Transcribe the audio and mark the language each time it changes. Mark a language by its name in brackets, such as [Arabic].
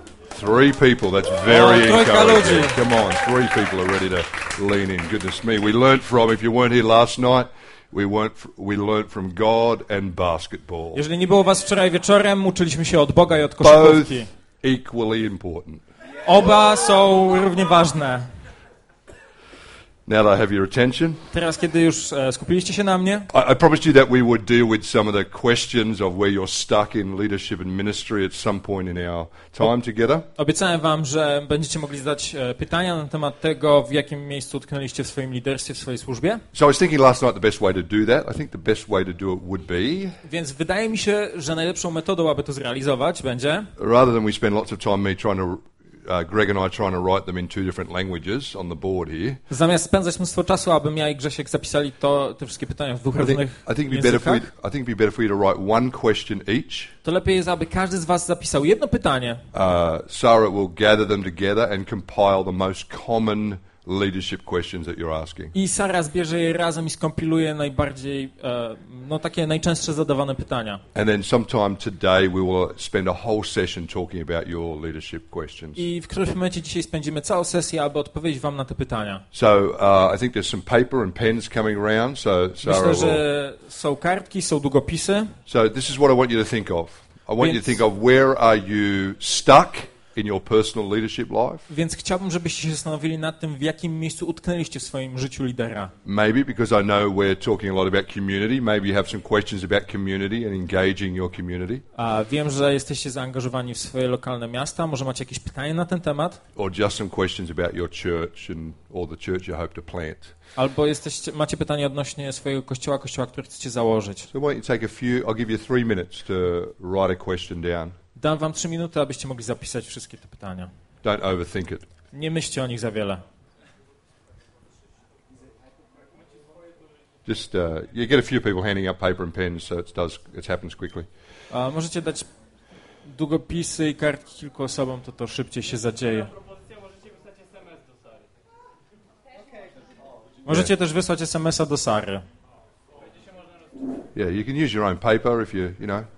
[English] Three people, that's very encouraging. Come on, three people are ready to lean in. Goodness me, we learned from, if you weren't here last night, we learned from God and basketball. [Polish] Jeżeli nie było was wczoraj wieczorem, uczyliśmy się od Boga i od koszykówki. [English] Both equally important. [Polish] Oba są równie ważne. [English] Now that I have your attention. [Polish] Teraz kiedy już skupiliście się na mnie. [English] I promised you that we would deal with some of the questions of where you're stuck in leadership and ministry at some point in our time together. [Polish] Obiecałem wam, że będziecie mogli zadać pytania na temat tego, w jakim miejscu utknęliście w swoim liderstwie, w swojej służbie. [English] So I was thinking last night the best way to do that. I think the best way to do it would be. [Polish] Więc wydaje mi się, że najlepszą metodą, aby to zrealizować, będzie. [English] Rather than we spend lots of time me trying to Greg and I trying to write them in two different languages on the board here. [Polish] Zamiast spędzać mnóstwo czasu, abym ja i Grzesiek zapisali to te wszystkie pytania w dwóch różnych językach. [English] I think it'd be better for you to write one question each. [Polish] To lepiej jest, aby każdy z was zapisał jedno pytanie. [English] Sarah will gather them together and compile the most common leadership questions that you're asking. [Polish] I Sara zbierze je razem i skompiluje najbardziej no takie najczęstsze zadawane pytania. [English] And then sometime today we will spend a whole session talking about your leadership questions. [Polish] I w którymś momencie dzisiaj spędzimy całą sesję, aby odpowiedzieć wam na te pytania. [English] So I think there's some paper and pens coming around, so Sara. [Polish] Myślę, że są kartki, są długopisy. [English] So this is what I want you to think of. I want you to think of where are you stuck in your personal leadership life. [Polish] Więc chciałbym, żebyście się zastanowili nad tym, w jakim miejscu utknęliście w swoim życiu lidera. [English] Maybe because I know we're talking a lot about community, maybe you have some questions about community and engaging your community. [Polish] A wiem, że jesteście zaangażowani w swoje lokalne miasta, może macie jakieś pytania na ten temat? [English] Or just some questions about your church and or the church you hope to plant. [Polish] Albo jesteście, macie pytanie odnośnie swojego kościoła, kościoła, który chcecie założyć. [English] So why don't you take a few, I'll give you 3 minutes to write a question down. [Polish] Dam wam 3 minuty, abyście mogli zapisać wszystkie te pytania. [English] Don't overthink it. [Polish] Nie myślcie o nich za wiele. [English] Just you get a few people handing out paper and pens, so it does, it happens quickly. [Polish] Możecie dać długopisy i kartki kilku osobom, to szybciej się zadzieje. Możecie też wysłać SMS-a do Sary. [English] Yeah, you can use your own paper if you know.